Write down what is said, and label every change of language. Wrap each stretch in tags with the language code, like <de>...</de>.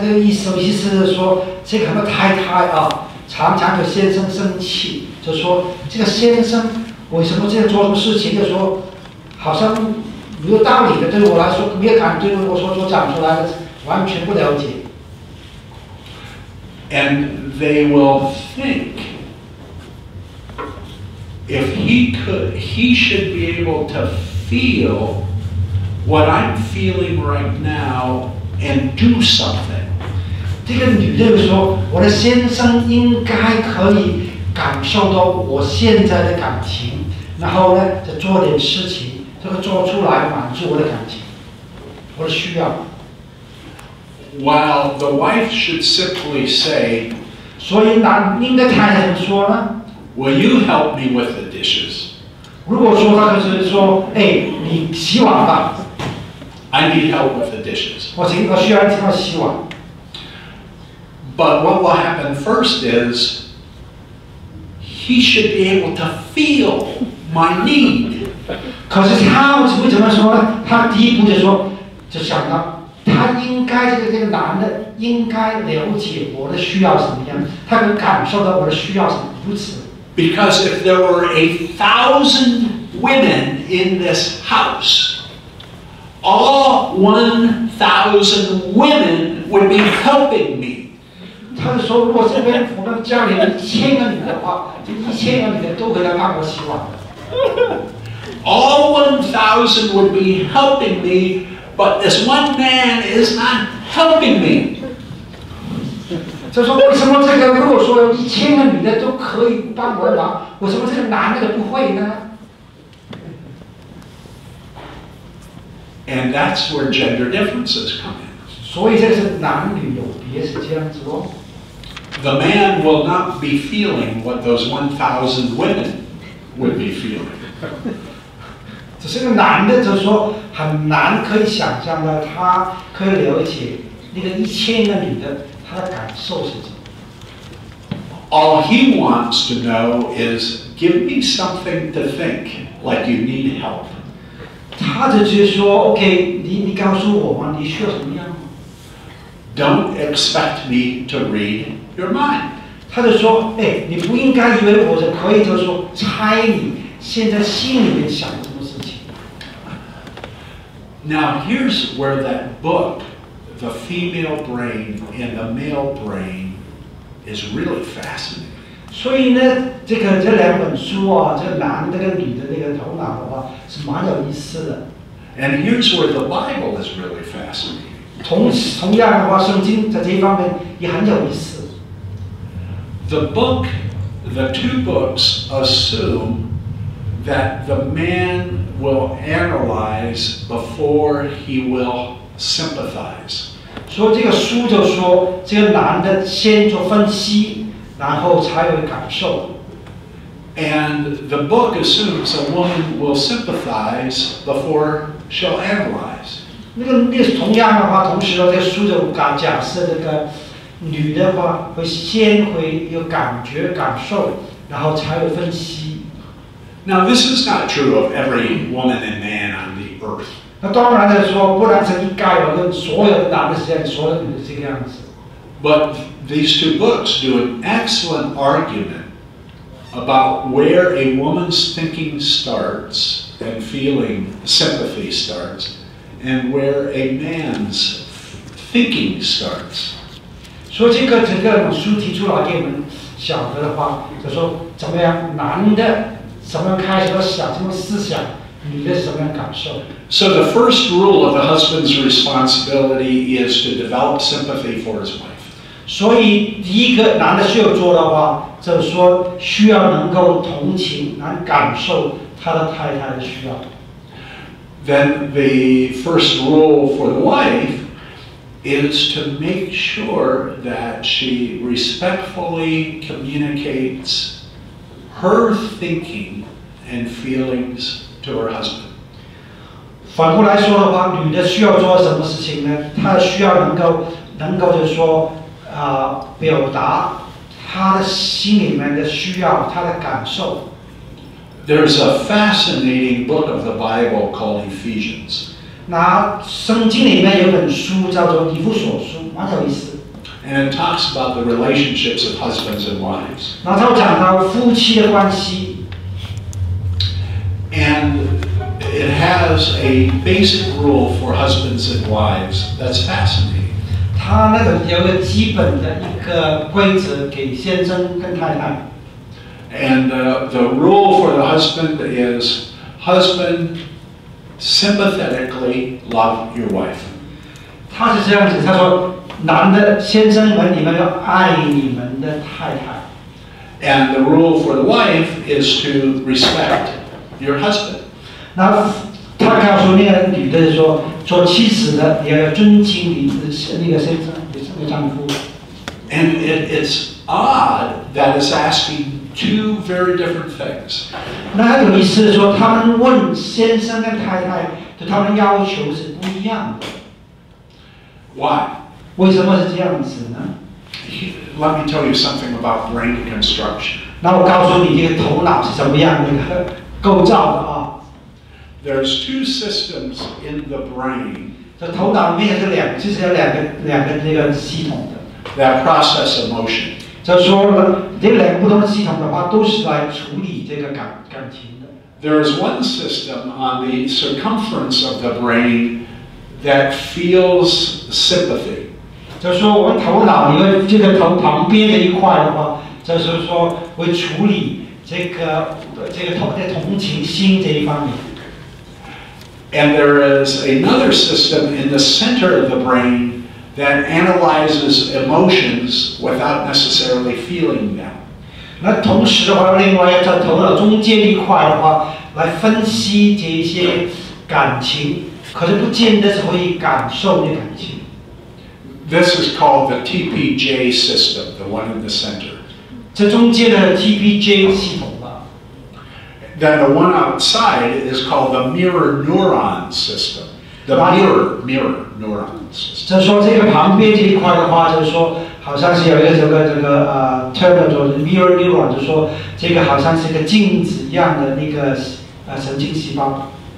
<zh>这个意思，意思是说，这个太太啊，常常惹先生生气。就说这个先生为什么这样做什么事情？就说好像没有道理的，对我来说没有感觉。我说讲出来完全不了解。</zh> <en>And they will think if he could, he should be able to feel. What I'm feeling right now, and do something.</en> <zh>这个女的说，我的先生应该可以感受到我现在的感情，然后呢，再做点事情，这个做出来满足我的感情，我的需要。</zh> <en>While the wife should simply say,</en> <zh>所以男应该太太说呢</zh> <en>，Will you help me with the dishes?</en> <zh>如果说他就是说，哎，你洗碗吧。</zh> <en>I need help with the dishes.</en> <zh>我请，我需要请他洗碗。</zh> <en>But what will happen first is he should be able to feel my need.</en> <zh>可是他为什么说呢？他第一步就说，就想到他应该这个男的应该了解我的需要什么样，他能感受到我的需要什么，如此。</zh> <en>Because if there were 1,000 women in this house. All 1,000 women would be helping me.</en> <zh>他就说，如果这边我们家里1,000个女的话，这1,000个女的都会来帮我洗碗。</zh> <en>All 1,000 would be helping me, but this one man is not helping me.</en> <zh>他说，为什么这个如果说1,000个女的都可以帮我的忙，为什么这个男的不会呢？</zh> <en>And that's where gender differences come in.</en> <zh>所以这是男女有别，是这样子哦。</zh> <en>The man will not be feeling what those 1,000 women would be feeling.</en> <zh>只是个男的，就说很难可以想象的，他可以了解那个1,000个女的她的感受是什么。</zh> <en>All he wants to know is, give me something to think like you need help.</en> <zh>他就直接说 ：“OK， 你告诉我嘛，你需要什么样</zh> <en>？”Don't expect me to read your mind。</en> <zh>他就说：“哎，你不应该以为我是可以，就是说猜你现在心里面想什么事情。</zh> <en>”Now here's where that book, The Female Brain and the Male Brain, is really fascinating。</en> <zh>所以呢，这两本书啊，这个男的跟女的那个头脑的话，是蛮有意思的。</zh> <en>And here's where the Bible is really fascinating.</en> <zh>同样的话，圣经在这一方面也很有意思。</zh> <en>The two books assume that the man will analyze before he will sympathize.</en> <zh>所以这个书就说，这个男的先做分析。然后才有感受。</zh> <en>And the book assumes a woman will sympathize before she'll analyze.</en> <zh>那个同样的话，同时呢，这个书就假设那个女的话会先会有感觉感受，然后才有分析。</zh> <en>Now this is not true of every woman and man on the earth.</en> <zh>那当然就是说不然成一概而论所有的男的实验所有的这个样子。</zh> <en>But these two books do an excellent argument about where a woman's thinking starts and feeling sympathy starts and where a man's thinking starts.</en> <zh>所以这个整个书提出了给我们晓得的话就说怎么样男的怎么样开始想怎么思想女的怎么样感受。</zh> <en>So the first rule of a husband's responsibility is to develop sympathy for his wife.</en> <zh>所以第一个男的需要做的话就是说需要能够同情能感受他的太太的需要。</zh> <en>Then the first rule for the wife is to make sure that she respectfully communicates her thinking and feelings to her husband.</en> <zh>反过来说的话女的需要做什么事情呢她需要能够就是说表达他的心里面的需要，他的感受。</zh> <en>There's a fascinating book of the Bible called Ephesians.</en> <zh>那圣经里面有本书叫做《以弗所书》，蛮有意思。</zh> <en>And it talks about the relationships of husbands and wives.</en> <zh>那他讲到夫妻的关系。</zh> <en>And it has a basic rule for husbands and wives that's fascinating.</en> <zh>他那个有个基本的一个规则给先生跟太太。</zh> <en>And the rule for the husband is, husband, sympathetically love your wife.</en> <zh>他是这样子，他说，男的先生们，你们要爱你们的太太。</zh> <en>And the rule for the wife is to respect your husband.</en> <zh>那他告诉那个女的是说。做妻子的也要尊敬你的那个先生，你的丈夫。</zh> <en>And it's odd that it's asking two very different things.</en> <zh>那有意思说，他们问先生跟太太，就他们要求是不一样的。</zh> <en>Why?</en> <zh>为什么是这样子呢</zh> <en>？Let me tell you something about brain construction.</en> <zh>那我告诉你，这个头脑是怎么样的一个构造的啊？</zh> <en>There's two systems in the brain.</en> <zh>这头脑里面是两，其实有两个这个系统的。</zh> <en>That process emotion.</en> <zh>就说了这两个不同的系统的话，都是来处理这个感情的。</zh> <en>There's one system on the circumference of the brain that feels sympathy.</en> <zh>就说我们头脑里面这个头旁边的一块的话，就是说会处理这个同情心这一方面。</zh> <en>And there is another system in the center of the brain that analyzes emotions without necessarily feeling them.</en> <zh>那同时的话，另外在头脑中间一块的话，来分析这些感情，可是不见得是可以感受那感情。</zh> <en>This is called the TPJ system, the one in the center.</en> <zh>这中间的 TPJ 系统。</zh> <en>Then the one outside is called the mirror neuron system. The mirror neurons.</en> <zh>就说这个旁边这一块的话，就是说好像是有一个这个term 叫做 mirror neuron， 就说这个好像是一个镜子一样的那个神经细胞。</zh>